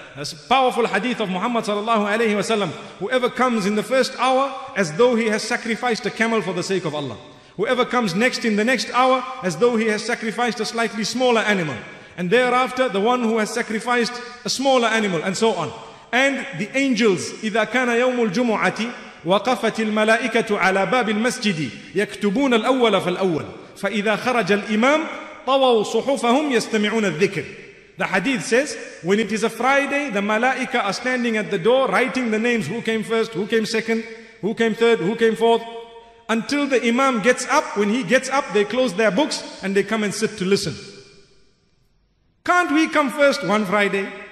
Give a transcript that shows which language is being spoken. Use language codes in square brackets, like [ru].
[en] That's a powerful hadith of Muhammad sallallahu alayhi wa sallam. Whoever comes in the first hour, as though he has sacrificed a camel for the sake of Allah. Whoever comes next in the next hour, as though he has sacrificed a slightly smaller animal. And thereafter, the one who has sacrificed a smaller animal, and so on. And the angels, [ar] إِذَا كَانَ يَوْمُ الْجُمُعَةِ وَقَفَتِ الْمَلَائِكَةُ عَلَى بَابِ الْمَسْجِدِ يَكْتُبُونَ الْأَوَّلَ فَالْأَوَّلَ فَإِذَا خَرَجَ الْإِمَامُ طَوَوْ صُحُفَهُمْ يَسْتَمِعُونَ الذِّكْرِ. [en] The hadith says, when it is a Friday, the malaika are standing at the door, writing the names, who came first, who came second, who came third, who came fourth, until the imam gets up. When he gets up, they close their books and they come and sit to listen. Can't we come first one Friday?